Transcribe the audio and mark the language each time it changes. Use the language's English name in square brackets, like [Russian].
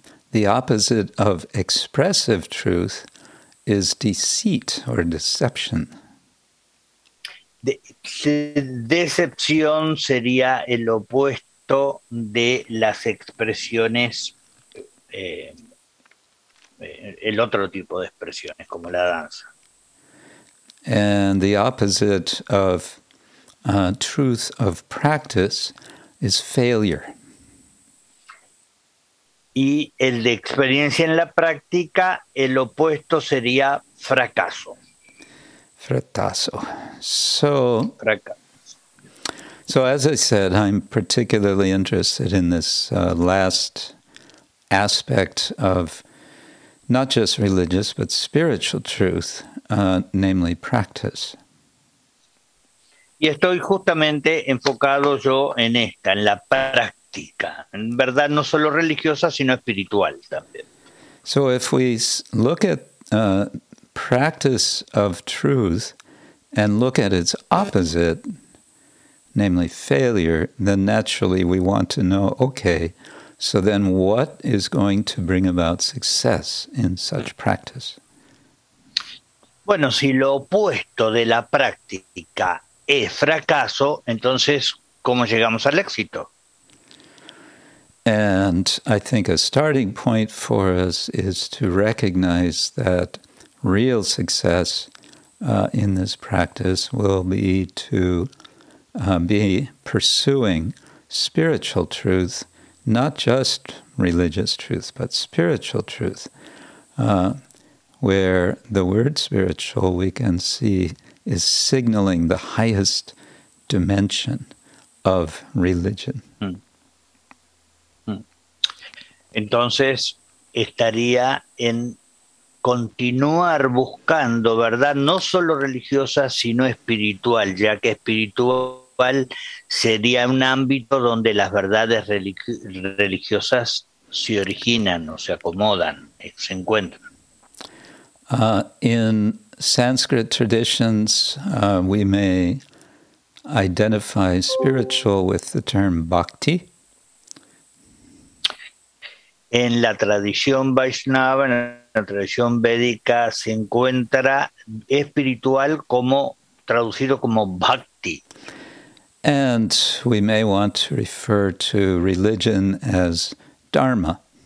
[English] The opposite of expressive truth is deceit or deception. [Spanish] Decepción sería el opuesto de las expresiones, el otro tipo de expresiones, como la danza. [English] And the opposite of truth of practice is failure. [Spanish] Y el de experiencia en la práctica, el opuesto sería fracaso. Fracaso. [English] So, so as I said, I'm particularly interested in this last aspect of not just religious, but spiritual truth, namely practice. [Spanish] Y estoy justamente enfocado yo en esta, en la práctica. En verdad, no solo religiosa, sino espiritual también. [English] So if we look at practice of truth and look at its opposite, namely failure, then naturally we want to know, okay, so then what is going to bring about success in such practice? [Spanish] Bueno, si lo opuesto de la práctica es fracaso, entonces, ¿cómo llegamos al éxito? [English] And I think a starting point for us is to recognize that real success in this practice will be to be pursuing spiritual truth, not just religious truth, but spiritual truth, where the word spiritual we can see is signaling the highest dimension of religion. [Spanish] Entonces, estaría en continuar buscando verdad no solo religiosa sino espiritual, ya que espiritual sería un ámbito donde las verdades religiosas se originan o se acomodan, se encuentran. [English] In Sanskrit traditions, we may identify spiritual with the term bhakti. [Spanish] En la tradición Vaishnava, en la tradición védica, se encuentra espiritual como traducido como bhakti. [English] And we may want to refer to religion as dharma.